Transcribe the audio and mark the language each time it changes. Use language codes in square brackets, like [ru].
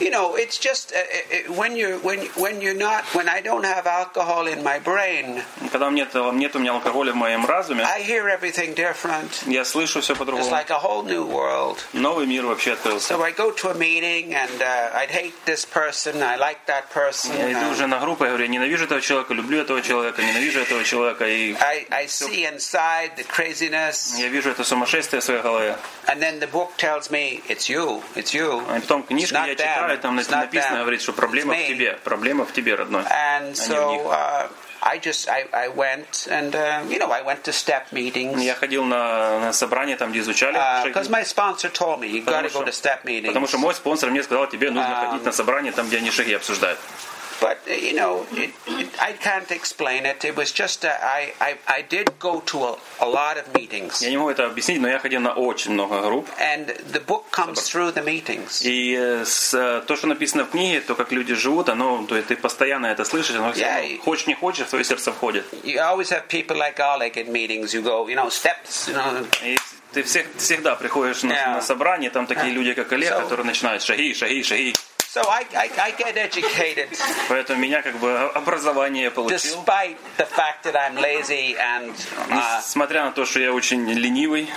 [en] You know, it's just when I don't have alcohol in my brain. [ru] Когда нет у меня алкоголя в моем разуме. [en] I hear everything different. [ru] Я слышу все по-другому. [en] It's like a whole new world. [ru] Новый мир вообще открылся. [en] So I go to a meeting and I'd hate this person, I like that person. [ru] Я иду уже на группу, я говорю, я ненавижу этого человека, люблю этого человека, ненавижу этого человека и. [en] I see inside the craziness. [ru] Я вижу это сумасшествие в своей голове. [en] And then the book tells me it's you, [ru] и потом книжка я читаю, там написано, говорит, что проблема в тебе, проблема в тебе, родной. [en] And so I went and you know I went to step meetings. [ru] Я ходил на собрание там, где изучали. [en] Because my sponsor told me you gotta go to step meetings. [ru] Потому что мой спонсор мне сказал, тебе нужно ходить на собрание там, где они шаги обсуждают. [en] But you know, I can't explain it. It was just I did go to a lot of meetings. [ru] Я не могу это объяснить, но я ходил на очень много групп. [en] And the book comes through the meetings. [ru] И то, что написано в книге, то, как люди живут, оно, то есть ты постоянно это слышишь, оно хочешь не хочешь, в твое сердце входит. [en] You always have people like Oleg in meetings. You go, you know, steps, you know. [ru] Ты всегда приходишь на собрание, там такие люди, как Олег, которые начинают шаги, шаги, шаги. [en] So I get educated. [ru] Поэтому меня как бы образование получил. [en] Despite the fact that I'm lazy and [ru] несмотря на то, что я очень ленивый,